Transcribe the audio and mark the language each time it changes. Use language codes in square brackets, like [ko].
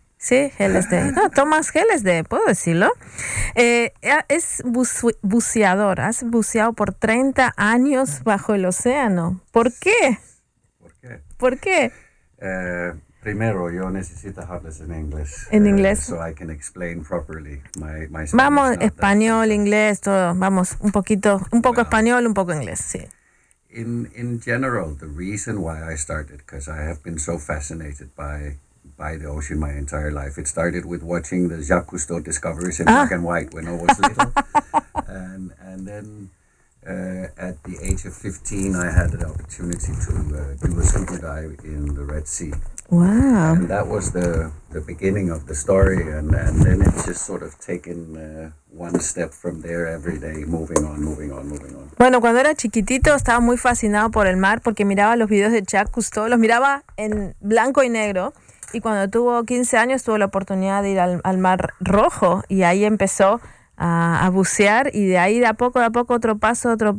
[es] Sí, Hellestad. No, Thomas Hellestad, puedo decirlo. Es buceador, has buceado por 30 años bajo el océano. ¿Por qué? ¿Por qué? ¿Por qué? Primero, yo necesito hablarles en inglés. ¿En inglés? [en] So I can explain properly my Spanish. [es] Vamos, español, inglés, todo. Vamos, un poquito, un poco español, un poco inglés, sí. [en] In general, the reason why I started, because I have been so fascinated by the ocean my entire life. It started with watching the Jacques Cousteau discoveries in black and white when I was little. and then at the age of 15, I had the opportunity to do a scuba dive in the Red Sea. Wow. And that was the beginning of the story. And then it's just sort of taken one step from there every day, moving on. [es] Bueno, cuando era chiquitito, estaba muy fascinado por el mar porque miraba los videos de Jacques Cousteau. Los miraba en blanco y negro. Y cuando tuvo 15 años, tuvo la oportunidad de ir al Mar Rojo y ahí empezó a bucear. Y de ahí, de a poco, otro paso.